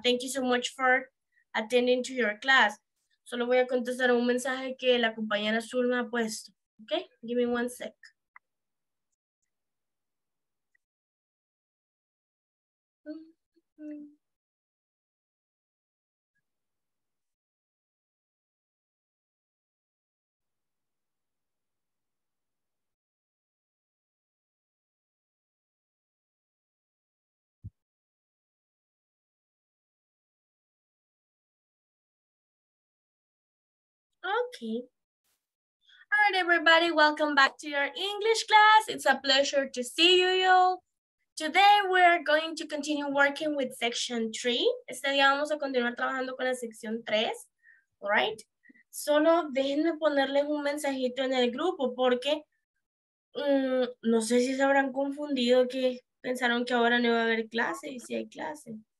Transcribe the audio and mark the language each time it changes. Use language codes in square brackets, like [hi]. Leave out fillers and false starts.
[en] Thank you so much for attending to your class. [es] Solo voy a contestar un mensaje que la compañera Zulma ha puesto. [en] Okay? Give me one sec. Okay. All right, everybody, welcome back to your English class. It's a pleasure to see you all. Today, we're going to continue working with section 3. [es] Este día vamos a continuar trabajando con la sección 3, [en] all right? [es] Solo déjenme ponerles un mensajito en el grupo porque no sé si se habrán confundido que pensaron que ahora no iba a haber clase y si hay clase.